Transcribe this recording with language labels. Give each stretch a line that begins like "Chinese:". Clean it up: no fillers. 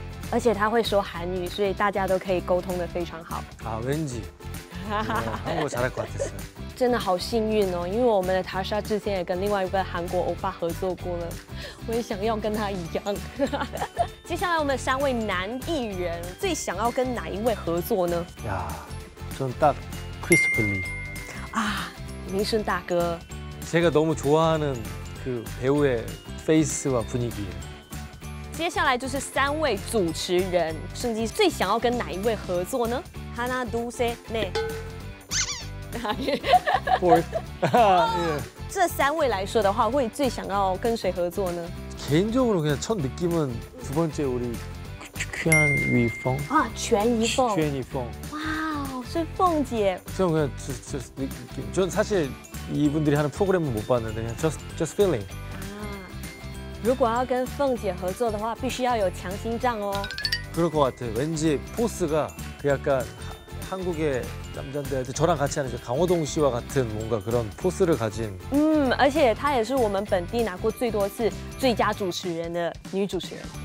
Chinese: 而且他会说韩语所以大家都可以沟通得非常好
Korean: 아왠지 한국어잘할것같았어요
Chinese: 真的好幸运哦，因为我们的 Tasha 之前也跟另外一位韩国欧巴合作过了，我也想要跟他一样。接下来我们三位男艺人最想要跟哪一位合作呢？
Korean: 呀，저는딱 Christopher Lee 아明顺大哥， 제가너무좋아하는그배우의페이스와분위기
Chinese: 接下来就是三位主持人，昇基最想要跟哪一位合作呢？
Korean: 하나둘셋넷
English: Fourth.
Chinese: 这三位来说的话，会最想要跟谁合作呢？
Korean: 개인적으로그냥첫느낌은두번째우리全一凤
Chinese: 啊，全一凤，全一凤。哇，是凤姐。
Korean: 저는그냥just느낌저는사실이분들이하는프로그램은못봤는데그냥
English: just feeling. 아
Chinese: 如果要跟凤姐合作的话，必须要有强心脏哦。
Korean: 그럴것같아요왠지포스가그약간한국의남잔들한테저랑같이하는강호동씨와같은뭔가그런포스를가진
Chinese: 而且她也是我们本地拿过最多次最佳主持人的女主持人